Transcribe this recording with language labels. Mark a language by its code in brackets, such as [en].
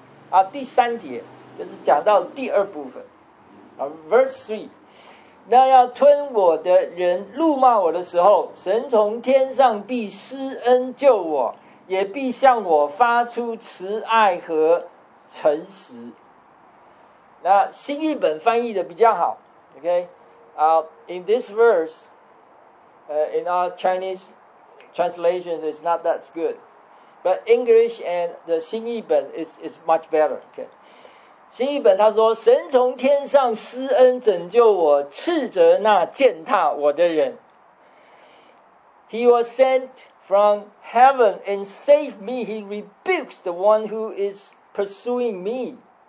[zh] 啊，第三节就是讲到第二部分啊， verse 3，那要吞我的人怒骂我的时候，神从天上必施恩救我，也必向我发出慈爱和诚实。那新译本翻译的比较好 ，OK？ [en] 啊、，in this verse， in our Chinese translation is not that good， but English and the 新译本 is much better， OK？ [zh] 新译本他说，神从天上施恩拯救我，斥责那践踏我的人。 [en] He was sent from heaven and saved me. He rebukes the one who is pursuing me.